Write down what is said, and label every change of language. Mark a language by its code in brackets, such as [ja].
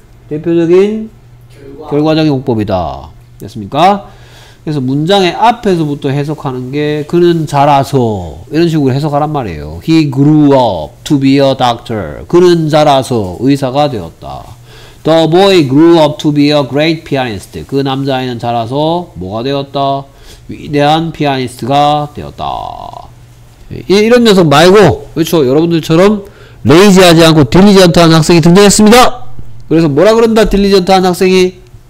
[ko] 결과적인 용법이다. 됐습니까? 그래서 문장의 앞에서부터 해석하는 게 그는 자라서 이런 식으로 해석하란 말이에요. [en] He grew up to be a doctor. [ko] 그는 자라서 의사가 되었다. [en] The boy grew up to be a great pianist. [ko] 그 남자아이는 자라서 뭐가 되었다? 위대한 피아니스트가 되었다. 이런 녀석 말고 그렇죠. 여러분들처럼 레이지하지 않고 딜리전트한 학생이 등장했습니다. 그래서 뭐라 그런다 딜리전트한 학생이?